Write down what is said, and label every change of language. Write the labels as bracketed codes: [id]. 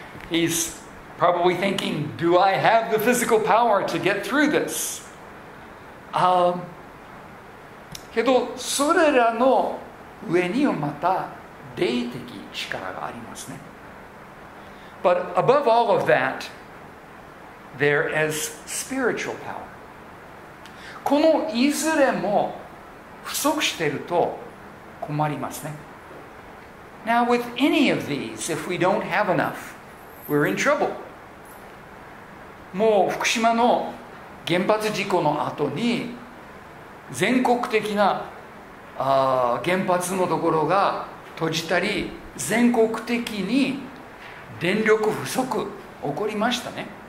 [en] He's probably thinking, do I have the physical power to get through this? [ja] けどそれらの上にはまた霊的力がありますね。 [en] But above all of that, there is spiritual power. [ja] このいずれも不足していると困りますね。 [en] Now with any of these, if we don't have enough, we're in trouble. [ja] もう福島の原発事故の後に全国的な原発のところが閉じたり、全国的に電力不足起こりましたね。